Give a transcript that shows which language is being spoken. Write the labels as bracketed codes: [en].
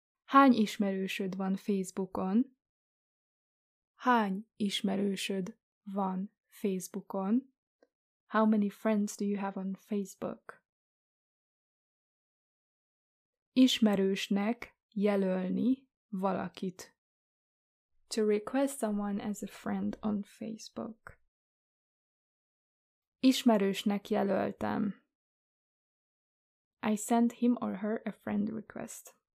[hu] Hány ismerősöd van Facebookon? Hány ismerősöd van Facebookon? [en] How many friends do you have on Facebook? [hu] Ismerősnek jelölni valakit. [en] To request someone as a friend on Facebook. [hu] Ismerősnek jelöltem. [en] I sent him or her a friend request.